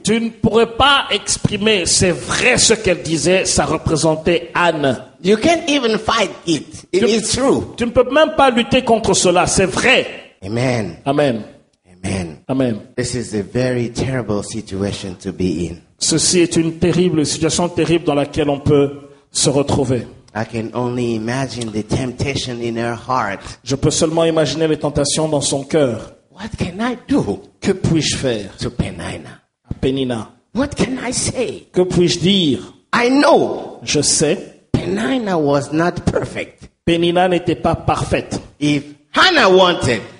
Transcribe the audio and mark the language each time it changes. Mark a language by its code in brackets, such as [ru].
[fr] Tu ne pourrais pas exprimer. C'est vrai ce qu'elle disait. Ça représentait Anne. [en] You can't even fight it. It's true. [fr] Tu ne peux même pas lutter contre cela. C'est vrai. Amen. Amen. Amen. Amen. [en] This is a very terrible situation to be in. [fr] Ceci est une terrible situation, terrible dans laquelle on peut se retrouver. [en] I can only imagine the temptation in her heart. [fr] Je peux seulement imaginer les tentations dans son cœur. [en] What can I do? [fr] Que puis-je faire? [en] To Penina. [fr] À Penina. [en] What can I say? [fr] Que puis-je dire? [en] I know. [fr] Je sais. [en] Penina was not perfect. [fr] Penina n'était pas parfaite. [en] If Hannah wanted,